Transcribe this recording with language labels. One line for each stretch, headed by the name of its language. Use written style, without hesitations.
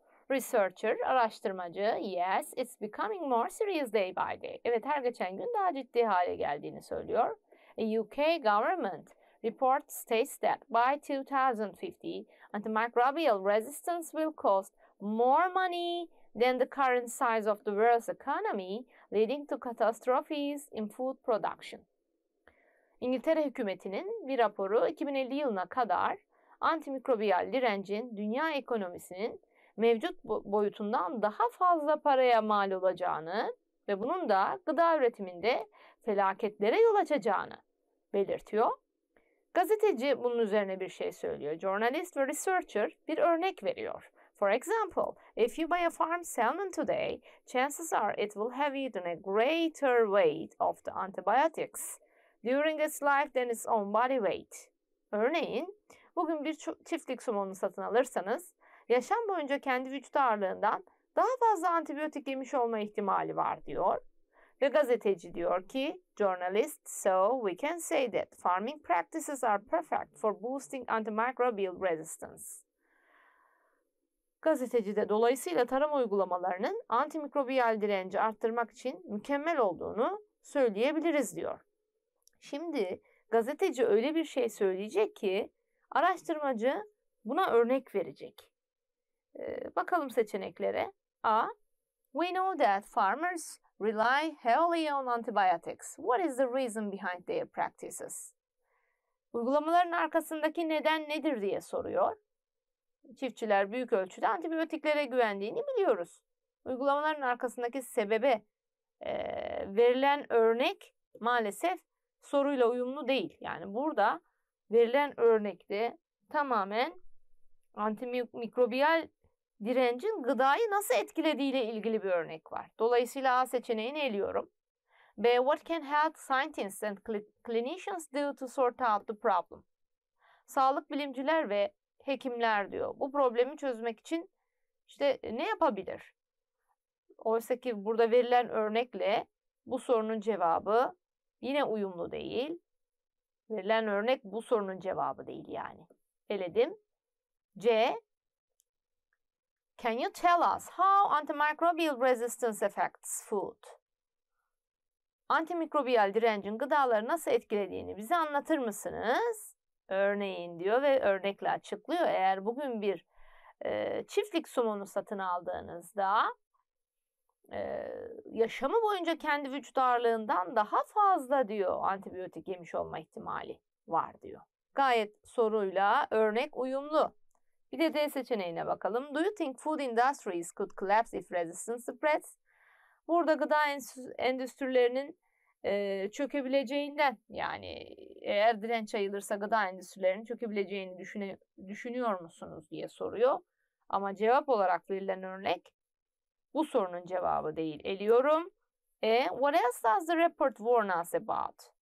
English: Researcher,
Turkish: araştırmacı,
English: yes, it's becoming more serious day by day.
Turkish: Evet, her geçen gün daha ciddi hale geldiğini söylüyor.
English: A UK government report states that by 2050, antimicrobial resistance will cost more money than the current size of the world's economy, leading to catastrophes in food production.
Turkish: İngiltere hükümetinin bir raporu 2050 yılına kadar antimikrobiyal direncin dünya ekonomisinin mevcut boyutundan daha fazla paraya mal olacağını ve bunun da gıda üretiminde felaketlere yol açacağını belirtiyor. Gazeteci bunun üzerine bir şey söylüyor. Journalist ve researcher bir örnek veriyor.
English: For example, if you buy a farmed salmon today, chances are it will have eaten a greater weight of the antibiotics during its life than its own body weight.
Turkish: Örneğin, bugün bir çiftlik somonu satın alırsanız, yaşam boyunca kendi vücut ağırlığından daha fazla antibiyotik yemiş olma ihtimali var diyor. Ve gazeteci diyor ki,
English: journalist, so we can say that farming practices are perfect for boosting antimicrobial resistance.
Turkish: Gazeteci de dolayısıyla tarım uygulamalarının antimikrobiyal direnci arttırmak için mükemmel olduğunu söyleyebiliriz diyor. Şimdi gazeteci öyle bir şey söyleyecek ki araştırmacı buna örnek verecek. Bakalım seçeneklere. A.
English: We know that farmers rely heavily on antibiotics. What is the reason behind their practices?
Turkish: Uygulamaların arkasındaki neden nedir diye soruyor. Çiftçiler büyük ölçüde antibiyotiklere güvendiğini biliyoruz. Uygulamaların arkasındaki sebebe verilen örnek maalesef soruyla uyumlu değil. Yani burada verilen örnekte tamamen antimikrobiyal direncin gıdayı nasıl etkilediğiyle ilgili bir örnek var. Dolayısıyla A seçeneğini eliyorum. B.
English: What can health scientists and clinicians do to sort out the problem?
Turkish: Sağlık bilimciler ve hekimler diyor. Bu problemi çözmek için işte ne yapabilir? Oysa ki burada verilen örnekle bu sorunun cevabı yine uyumlu değil. Verilen örnek bu sorunun cevabı değil yani. Eledim. C.
English: Can you tell us how antimicrobial resistance affects food?
Turkish: Antimikrobiyal direncin gıdaları nasıl etkilediğini bize anlatır mısınız? Örneğin diyor ve örnekle açıklıyor. Eğer bugün bir çiftlik somonu satın aldığınızda yaşamı boyunca kendi vücut ağırlığından daha fazla diyor antibiyotik yemiş olma ihtimali var diyor. Gayet soruyla örnek uyumlu. Bir de D seçeneğine bakalım.
English: Do you think food industries could collapse if resistance spreads?
Turkish: Burada gıda endüstrilerinin çökebileceğinden, yani eğer direnç ayılırsa gıda endüstrilerinin çökebileceğini düşünüyor musunuz diye soruyor. Ama cevap olarak verilen örnek bu sorunun cevabı değil. Eliyorum.
English: What else does the report warn us about?